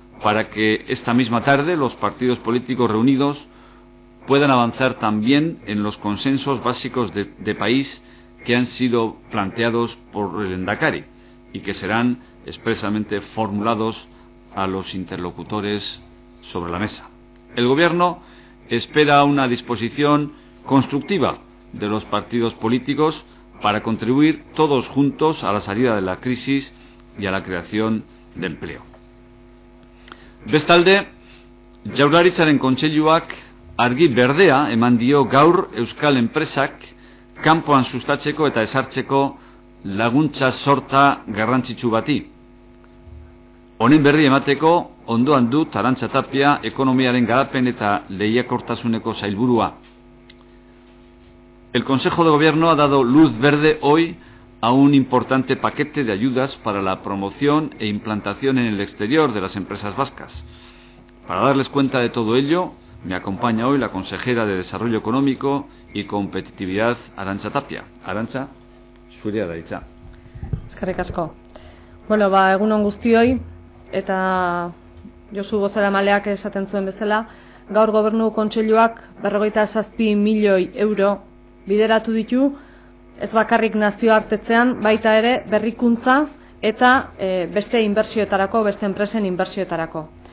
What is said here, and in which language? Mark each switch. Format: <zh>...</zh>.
<es>para que esta misma tarde los partidos políticos reunidos puedan avanzar también en los consensos básicos de país que han sido planteados por el Lehendakari y que serán expresamente formulados a los interlocutores sobre la mesa. El Gobierno espera una disposición constructiva de los partidos políticos para contribuir todos juntos a la salida de la crisis y a la creación de empleo.</es> <eu>Bestalde, Jaurlaritzaren kontseiluak argi berdea eman dio gaur euskal enpresak kanpoan sustatzeko eta ezartzeko laguntza sorta garrantzitsu bati. Honen berri emateko, ondoan dut Arantxa Tapia ekonomiaren garapen eta lehiakortasuneko sailburua.</eu> <es>El Consejo de Gobierno ha dado luz verde hoy a un importante paquete de ayudas para la promoción e implantación en el exterior de las empresas vascas. Para darles cuenta de todo ello, me acompaña hoy la consejera de Desarrollo Económico y Competitividad, Arantxa Tapia.</es> <eu>Arantxa, zurea da hitza. Eskerrik asko. Bueno, egun on guztioi, eta Josu Bozeramaleak esaten zuen bezala, gaur Gobernu Kontseiluak 47 milioi euro bideratu ditu, ez bakarrik nazioartetzean, baita ere berrikuntza eta beste inbertsioetarako, beste enpresen inbertsioetarako.</eu>